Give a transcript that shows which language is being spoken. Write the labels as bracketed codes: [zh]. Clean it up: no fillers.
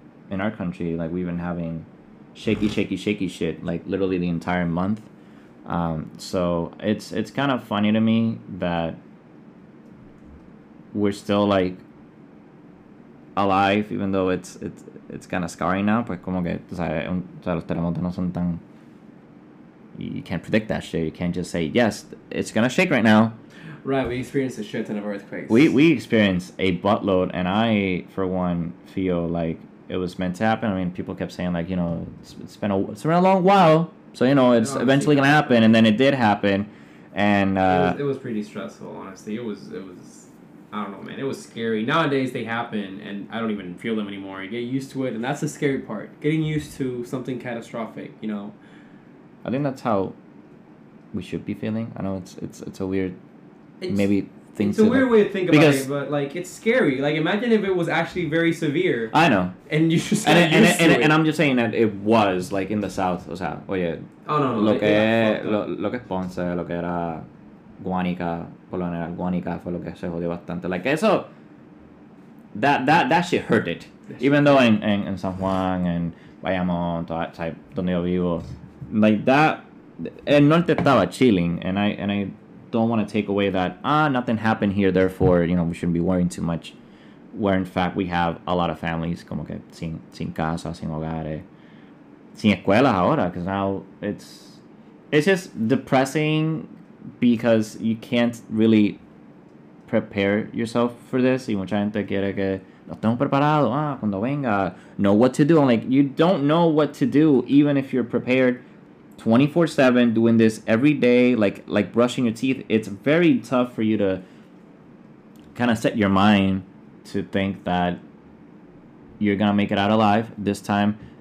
[en] In our country, like, we've been having shaky, shaky, shaky shit, like, literally the entire month. So, it's kind of funny to me that we're still, like, alive, even though it's kind of scary now. [es] Pues como que, los terremotos no son tan... [en] You can't predict that shit. You can't just say, yes, it's going to shake right now. Right, we experienced a shit ton of earthquakes. We experienced a buttload, and I, for one, feel like... It was meant to happen. I mean, people kept saying, like, it's been a long while. So, it's eventually going to happen. And then it did happen. And it was pretty stressful, honestly. It was I don't know, man. It was scary. Nowadays, they happen, and I don't even feel them anymore. You get used to it, and that's the scary part. Getting used to something catastrophic, you know? I think that's how we should be feeling. I know it's a weird... It's, maybe things... It's a weird way to think about it, but, like, it's scary. Like, imagine if it was actually very severe. I know. And you just got used to it. And I'm just saying that it was, like, in the south. [es] O sea, oye... [en] Oh, no. [es] Lo que es Ponce, lo que era... Guanica, Polonia, Guanica fue lo que se jodió bastante. [en] Like, [es] eso, [en] that shit hurt it. That even though in San Juan and Bayamón, [es] todo [en] that type, [es] donde yo vivo, [en] like that, [es] el norte estaba [en] chilling, and I don't want to take away that, nothing happened here, therefore, you know, we shouldn't be worrying too much. Where in fact, we have a lot of families, [es] como que sin casa, sin hogares, sin escuelas ahora, [en] because now it's just depressing. Because you can't really prepare yourself for this. [es] Y mucha gente quiere que no estemos preparados. [en] Ah, [es] cuando venga, [en] know what to do. I'm like, you don't know what to do, even if you're prepared 24/7, doing this every day, like brushing your teeth. It's very tough for you to kind of set your mind to think that you're gonna make it out alive this time.